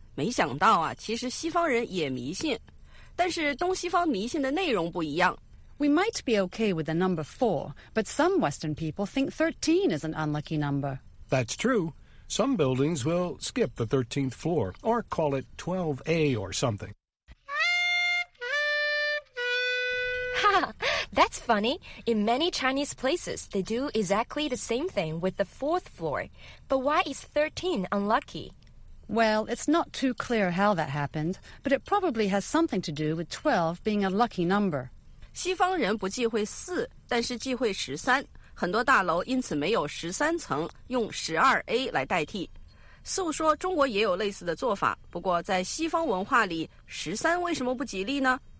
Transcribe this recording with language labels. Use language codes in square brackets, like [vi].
[zh] 没想到啊，其实西方人也迷信，但是东西方迷信的内容不一样。 [en] We might be okay with the number 4, but some Western people think 13 is an unlucky number. That's true. Some buildings will skip the 13th floor, or call it 12A or something. That's funny. In many Chinese places, they do exactly the same thing with the 4th floor. But why is 13 unlucky? Well, it's not too clear how that happened, but it probably has something to do with 12 being a lucky number. [zh] 西方人不忌讳四，但是忌讳十三。很多大楼因此没有十三层，用十二 A 来代替。素说中国也有类似的做法，不过在西方文化里，十三为什么不吉利呢？